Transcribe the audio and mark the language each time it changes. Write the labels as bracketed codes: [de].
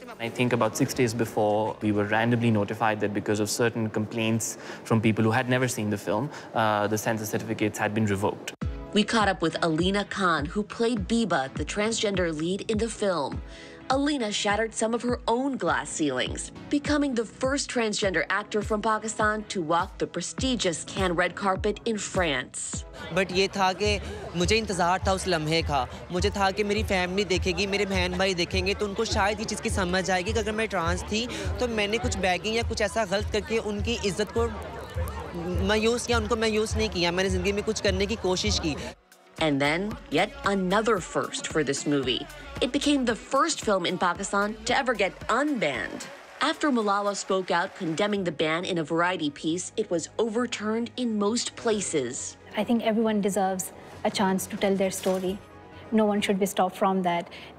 [en] I think about 6 days before, we were randomly notified that because of certain complaints from people who had never seen the film, the censor certificates had been revoked. We caught up with Alina Khan, who played Biba, the transgender lead in the film. Alina shattered some of her own glass ceilings, becoming the first transgender actor from Pakistan to walk the prestigious Cannes red carpet in France. [ur] But یہ تھا کہ مجھے انتظار تھا اس لمحے کا۔ مجھے تھا کہ میری فیملی دیکھے گی، میرے بھائی بھائی دیکھیں گے، تو انکو شاید یہ چیز کی سمجھ آئے گی کہ اگر میں ٹرانس تھی، تو میں نے کچھ بیگنگ یا کچھ ایسا غلط کرکے انکی عزت کو مایوس کیا، انکو مایوس نہیں کیا۔ میں نے زندگی میں کچھ کرنے کی کوشش کی۔ [en] And then, yet another first for this movie. It became the first film in Pakistan to ever get unbanned. After Malala spoke out condemning the ban in a Variety piece, it was overturned in most places. I think everyone deserves a chance to tell their story. No one should be stopped from that.